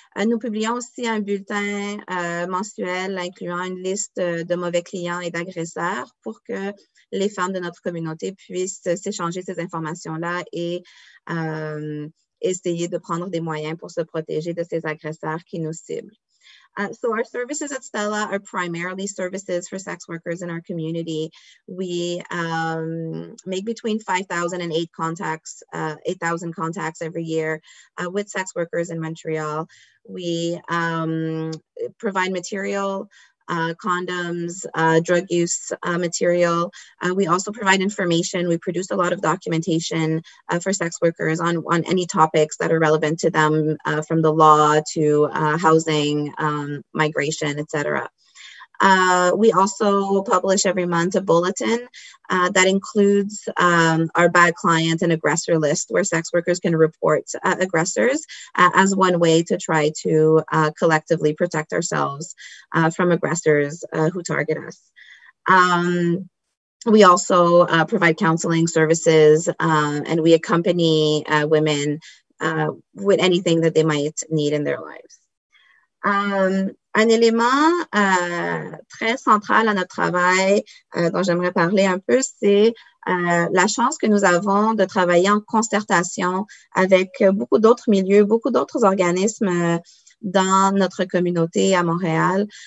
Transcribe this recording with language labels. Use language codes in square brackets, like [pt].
[fr] Nous publions aussi un bulletin mensuel incluant une liste de mauvais clients et d'agresseurs pour que les femmes de notre communauté puissent s'échanger ces informations-là et essayer de prendre des moyens pour se protéger de ces agresseurs qui nous ciblent. [en] So our services at Stella are primarily services for sex workers in our community. We make between 5,000 and 8,000 contacts every year with sex workers in Montreal. We provide material, condoms, drug use material. We also provide information. We produce a lot of documentation for sex workers on any topics that are relevant to them, from the law to housing, migration, etc. We also publish every month a bulletin that includes our bad client and aggressor list, where sex workers can report aggressors as one way to try to collectively protect ourselves from aggressors who target us. We also provide counseling services and we accompany women with anything that they might need in their lives. [fr] Un élément très central à notre travail dont j'aimerais parler un peu, c'est la chance que nous avons de travailler en concertation avec beaucoup d'autres milieux, beaucoup d'autres organismes dans notre communauté à Montréal.